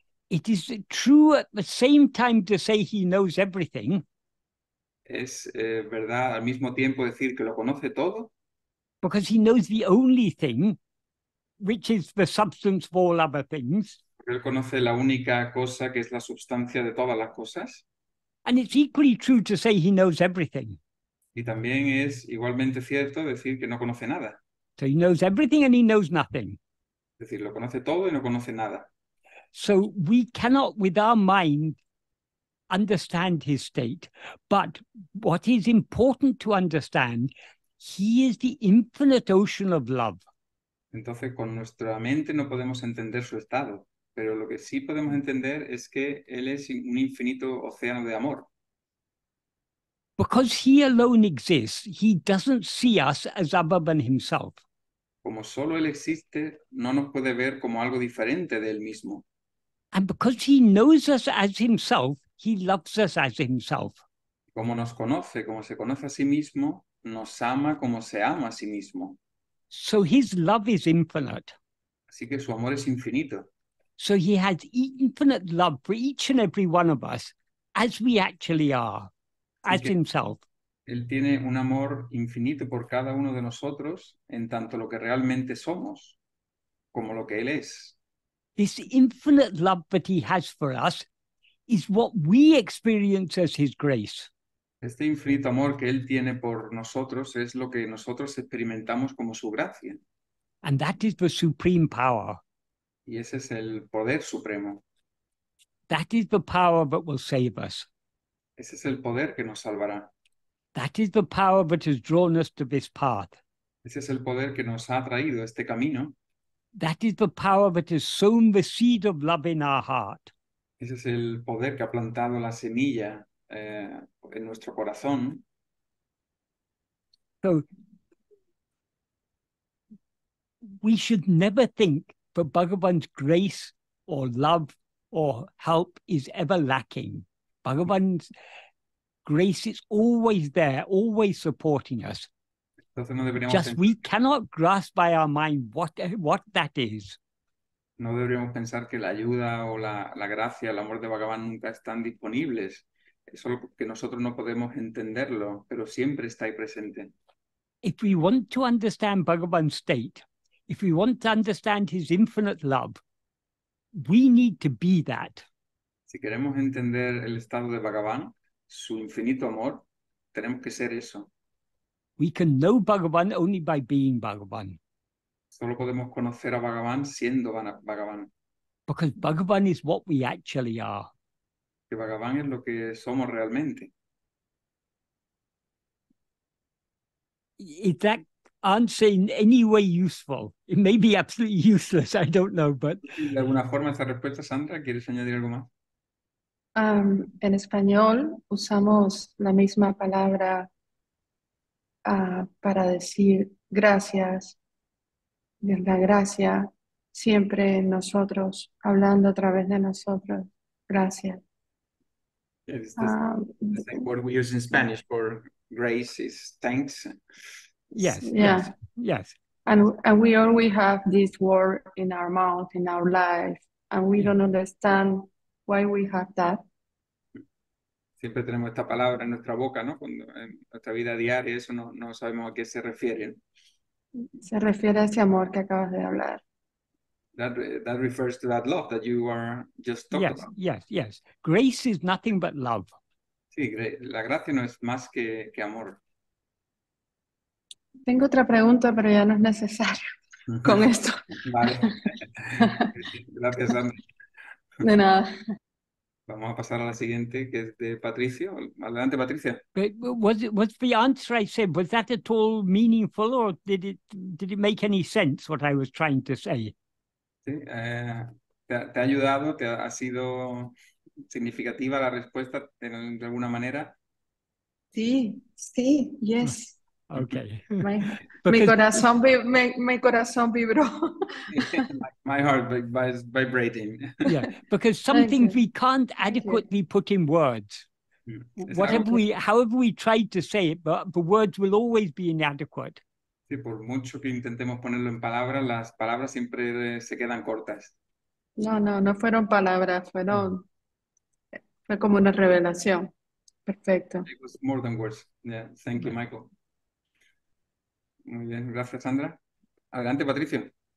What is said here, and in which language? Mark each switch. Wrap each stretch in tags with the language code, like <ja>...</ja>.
<en>It is true at the same time to say he knows everything.</en> <es>Es verdad al mismo tiempo decir que lo conoce todo.</es> <en>Because he knows the only thing, which is the substance of all other things.</en> <es>Porque él conoce la única cosa que es la sustancia de todas las cosas.</es> <en>And it's equally true to say he knows everything.</en> <es>Y también es igualmente cierto decir que no conoce nada.</es> <en>So he knows everything and he knows nothing.</en> <es>Es decir, lo conoce todo y no conoce nada.</es> <en>So we cannot, with our mind, understand his state. But what is important to understand, he is the infinite ocean of love.</en> <es>Entonces, con nuestra mente no podemos entender su estado. Pero lo que sí podemos entender es que él es un infinito océano de amor.</es> <en>Because he alone exists, he doesn't see us as other than himself.</en> <es>Como solo él existe, no nos puede ver como algo diferente de él mismo.</es> <en>And because he knows us as himself, he loves us as himself.</en> <es>Como nos conoce, como se conoce a sí mismo, nos ama como se ama a sí mismo.</es> <en>So his love is infinite.</en> <es>Así que su amor es infinito.</es> <en>So he has infinite love for each and every one of us, as we actually are, as himself.</en> <es>Él tiene un amor infinito por cada uno de nosotros, en tanto lo que realmente somos, como lo que él es.</es> <en>This infinite love that he has for us is what we experience as his grace.</en> <es>Este infinito amor que él tiene por nosotros es lo que nosotros experimentamos como su gracia.</es> <en>And that is the supreme power.</en> <es>Y ese es el poder supremo.</es> <en>That is the power that will save us.</en> <es>Ese es el poder que nos salvará.</es> <en>That is the power that has drawn us to this path.</en> <es>Ese es el poder que nos ha traído este camino.</es> <en>That is the power that has sown the seed of love in our heart.</en> <es>Ese es el poder que ha plantado la semilla en nuestro corazón.</es> <en>So, we should never think that Bhagavan's grace or love or help is ever lacking. Bhagavan's grace is always there, always supporting us.</en> <es>Entonces no deberíamos</es> <en>just</en> <es>pensar,</es> <en>we cannot grasp by our mind what that is.</en> <es>No deberíamos pensar que la ayuda o la gracia, el amor de Bhagavan nunca están disponibles. Es solo que nosotros no podemos entenderlo, pero siempre está ahí presente.</es> <en>If we want to understand Bhagavan's state, if we want to understand his infinite love, we need to be that.</en> <es>Si queremos entender el estado de Bhagavan, su infinito amor, tenemos que ser eso.</es> <en>We can know Bhagavan only by being Bhagavan.</en> <es>Solo podemos conocer a Bhagavan siendo Bhagavan.</es> <en>Because Bhagavan is what we actually are.</en> <es>Que Bhagavan es lo que somos realmente.</es> <en>Is that answer in any way useful? It may be absolutely useless, I don't know, but...</en> <es>¿De alguna forma esa respuesta, Sandra? ¿Quieres añadir algo más? En español usamos la misma palabra para decir gracias, la gracia, siempre en nosotros, hablando a través de nosotros, gracias.</es> <en>It's the same word we use in Spanish for grace is thanks. Yes. And we always have this word in our mouth, in our life, and we don't understand why we have that.</en> <es>Siempre tenemos esta palabra en nuestra boca, ¿no? Cuando, en nuestra vida diaria, eso no sabemos a qué se refiere. Se refiere a ese amor que acabas de hablar.</es> <en>That refers to that love that you were just talking yes, about. Yes, yes, yes. Grace is nothing but love.</en> <es>Sí, la gracia no es más que amor. Tengo otra pregunta, pero ya no es necesario con esto. Vale. Gracias, Ana. De nada. Vamos a pasar a la siguiente, que es de Patricio. Adelante, Patricia.</es> <en>Was the answer I said, was that at all meaningful or did it make any sense what I was trying to say?</en> <es>Sí, te ha ayudado, ha sido significativa la respuesta de alguna manera. Sí,</es> <en>yes. Okay.</en> <es>Mi corazón vibró.</es> <en>My heart is vibrating. Yeah, because some things we can't adequately put in words. However we try to say it, but the words will always be inadequate.</en> <es>Sí, por mucho que intentemos ponerlo en palabras, las palabras siempre se quedan cortas. No fueron palabras, fue como una revelación. Perfecto.</es> <en>It was more than words. Yeah, thank you, Michael.</en> <es>Muy bien, gracias, Sandra. Adelante, Patricio.</es>